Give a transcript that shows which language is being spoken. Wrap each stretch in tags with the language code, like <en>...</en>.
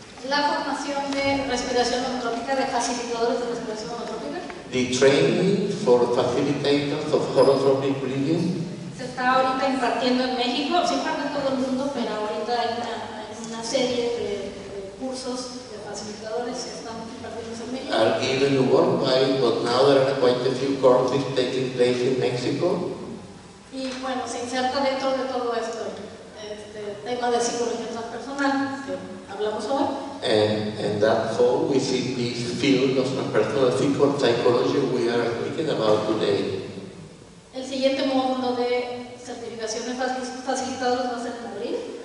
<es>La formación de respiración holotrópica, de facilitadores de respiración holotrópica.</es> <en>The training for facilitators of holotropic breathing.</en> <es>Se está ahorita impartiendo en México, siempre en todo el mundo, pero ahorita hay una serie de cursos de facilitadores que están impartiendo en México.</es> <en>Are given worldwide, but now there are quite a few courses taking place in Mexico.</en> <es>Y bueno, se inserta dentro de todo esto este tema de psicología personal que hablamos hoy.</es> <en>And that's all we see this field of personal psychology we are speaking about today.</en> <es>El siguiente módulo de certificaciones facilitadoras va a ser en abril.</es>